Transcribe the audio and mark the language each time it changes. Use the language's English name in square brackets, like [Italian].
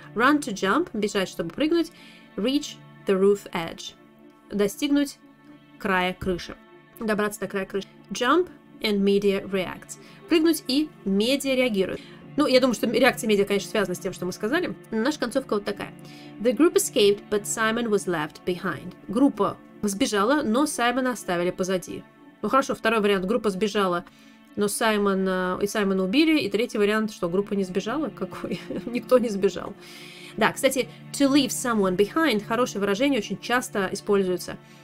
[English] Run to jump. [Russian] Бежать, чтобы прыгнуть. [English] Reach the roof edge. [Russian] Достигнуть края крыши. Добраться до края крыши. [English] Jump and media reacts. [Russian] Прыгнуть и медиа реагирует. Ну, я думаю, что реакция медиа, конечно, связана с тем, что мы сказали. Наша концовка вот такая. [English] The group escaped, but Simon was left behind. [Russian] Группа сбежала, но Саймона оставили позади. Ну, хорошо, второй вариант. Группа сбежала, но Саймона убили. И третий вариант, что группа не сбежала. Какой? Никто не сбежал. Да, кстати, [English] to leave someone behind, [Russian] хорошее выражение, очень часто используется.